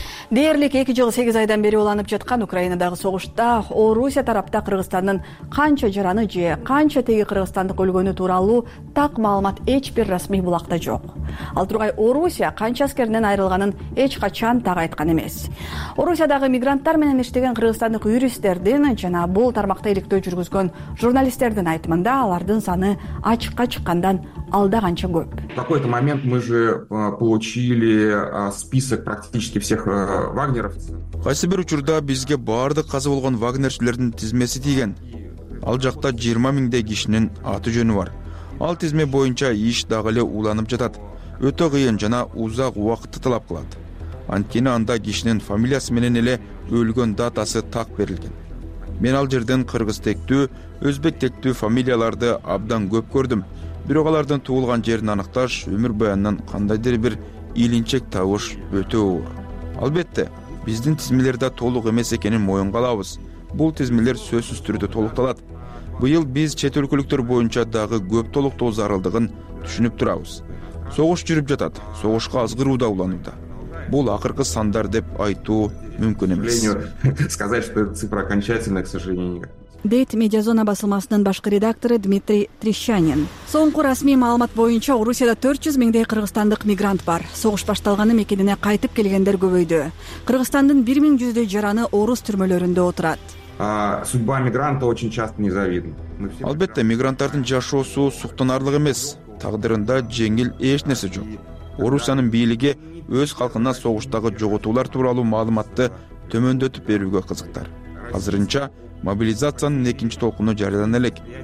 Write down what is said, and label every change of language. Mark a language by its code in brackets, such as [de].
[ky] Дээрлик 2 жыл 8 айдан бери уланып жаткан Украинадагы согушта Орусия тарапта Кыргызстандын канча жараны же канча теги кыргызстандык өлгөнү тууралуу так маалымат эч бир расмий булакта жок. Ал тургай Орусия канча аскеринен айрылганын эч качан так айткан эмес. Орусиядагы мигранттар менен иштеген кыргызстандык юристтердин жана бул тармакта иликтөө жүргүзгөн журналисттердин айтымында алардын саны ачыкка чыккандан алда канча көп. [ru] В какой-то момент мы же получили список практически всех вагнеров. [ky] Кайсы бир учурда бизге баардык казы болгон вагнерчилердин тизмеси тийген. Ал жакта 20 миңдей кишинин аты жөнү бар. Ал тизме боюнча иш дагы эле уланып жатат. Өтө кыйын жана узак убакытты талап кылат. Анткени анда кишинин фамилиясы менен эле өлгөн датасы так берилген. Мен ал жерден кыргыз тектүү, өзбек тектүү фамилияларды абдан көп көрдүм. Бирок алардын туулган жерин аныкташ өмүр баянынан кандайдыр бир ийинчек табыш өтө оор. Албетте, биздин тизмелер да толук эмес экенин моюнга алабыз. Бул тизмелер сөзсүз түрдө толукталат. Быйыл биз чет өлкөлүктөр боюнча дагы көп толуктоо зарылдыгын түшүнүп турабыз. Согуш жүрүп жатат, согушка азгыруу да уланууда. Бул акыркы сандар деп айтуу мүмкүн эмес. [ru] Сказать, что эта цифра окончательная, к сожалению. [ky] Дейт Медиазона басылмасынын башкы редактору Дмитрий Трещанин. Соңку расмий маалымат боюнча Орусияда 400 миңдей кыргызстандык мигрант бар. Согуш башталганы мекенине кайтып келгендер көбөйдү. Кыргызстандын 1100 жараны орус түрмөлөрүндө отурат. [ru] Судьба мигранта очень часто незавидна. [ky] Албетте, мигранттардын жашоосу суктанарлык эмес. Тагдырында жеңил эч нерсе жок. Орусиянын бийлиги өз халкына согуштагы жоготуулар тууралуу маалыматты төмөндөтүп берүүгө кызыктар. Азырынча мобилизациянын экинчи толкуну жарыяна элек.